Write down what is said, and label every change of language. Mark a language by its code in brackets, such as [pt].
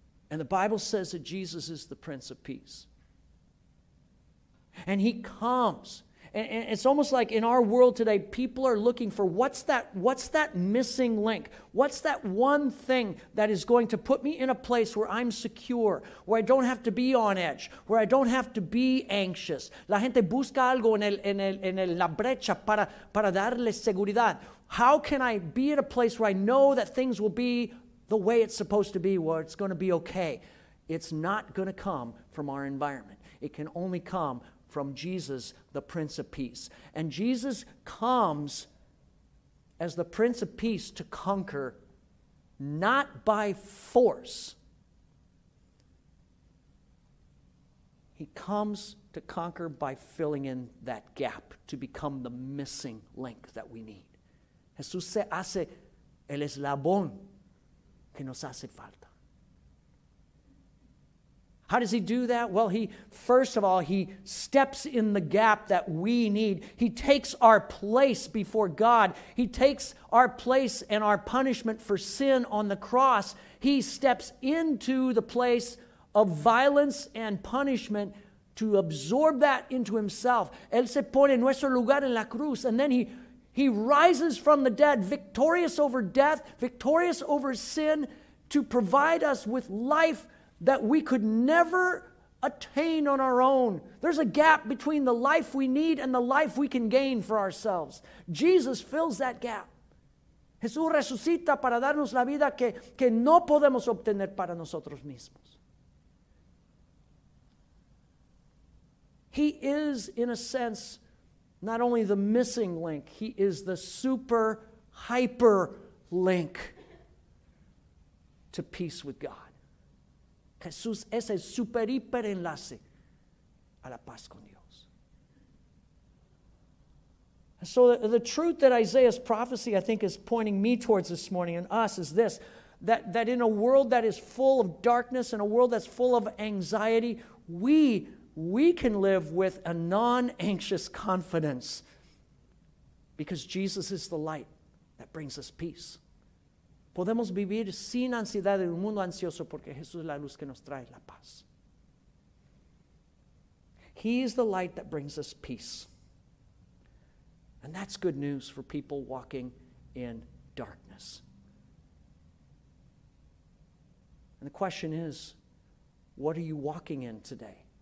[en] And the Bible says that Jesus is the Prince of Peace. And he comes. And it's almost like in our world today, people are looking for what's that missing link? What's that one thing that is going to put me in a place where I'm secure, where I don't have to be on edge, where I don't have to be anxious? [es] La gente busca algo en la brecha para darle seguridad. [en] How can I be in a place where I know that things will be the way it's supposed to be, where it's going to be okay? It's not going to come from our environment. It can only come from Jesus, the Prince of Peace. And Jesus comes as the Prince of Peace to conquer, not by force. He comes to conquer by filling in that gap, to become the missing link that we need. [es] Jesús se hace el eslabón que nos hace falta. [en] How does he do that? Well, he steps in the gap that we need. He takes our place before God. He takes our place and our punishment for sin on the cross. He steps into the place of violence and punishment to absorb that into himself. [es] Él se pone en nuestro lugar en la cruz, [en] and then he rises from the dead, victorious over death, victorious over sin, to provide us with life that we could never attain on our own. There's a gap between the life we need and the life we can gain for ourselves. Jesus fills that gap. [es] Jesús resucita para darnos la vida que no podemos obtener para nosotros mismos. [en] He is, in a sense, not only the missing link, he is the super hyper link to peace with God. [es] Jesús es el super hiper enlace a la paz con Dios. [en] So the truth that Isaiah's prophecy, I think, is pointing me towards this morning and us is this, that in a world that is full of darkness, in a world that's full of anxiety, we can live with a non-anxious confidence because Jesus is the light that brings us peace. [es] Podemos vivir sin ansiedad en un mundo ansioso porque Jesús es la luz que nos trae la paz. [en] He is the light that brings us peace. And that's good news for people walking in darkness. And the question is, what are you walking in today?